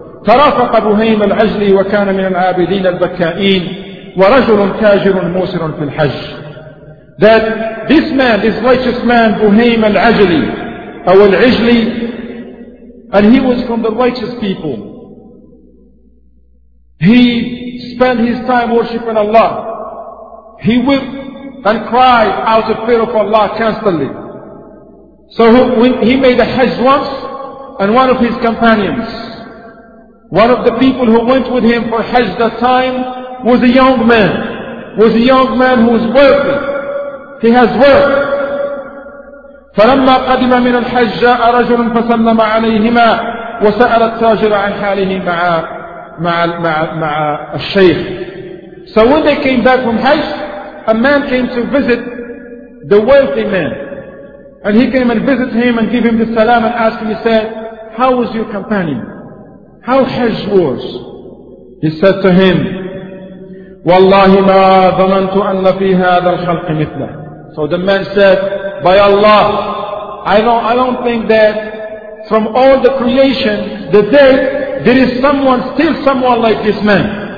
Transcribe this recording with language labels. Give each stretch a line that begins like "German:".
Arabic: ترافق بهيم العجلي وكان من العابدين البكائين ورجل تاجر موسر في الحج.
English: That this man, this righteous man, بهيم العجلي, أو العجلي, and he was from the righteous people. He spent his time worshipping Allah. He wept and cried out of fear of Allah constantly. So he made a hajj once, and one of his companions, one of the people who went with him for hajj that time, was a young man who was wealthy. He has wealth.
Arabic: فَلَمَّا قَدِمَ مِنَ الْحَجِّ جَاءَ رَجُلٌ فَسَلَّمَ عَلَيْهِمَا وَسَأَلَ التَّاجِرَ عَنْ حَالِهِ مَعَ الشَّيْخِ.
English: So when they came back from Hajj, a man came to visit the wealthy man. And he came and visited him and gave him the salam and asked him, he said, how was your companion? How Hajj was? He said to him,
Arabic: وَاللَّهِ مَا ظَنَنْتُ أَنَّ فِي هَذَا الْخَلْقِ مِثْلَهِ.
English: So the man said, by Allah, I don't think that from all the creation, the dead, there is still someone like this man.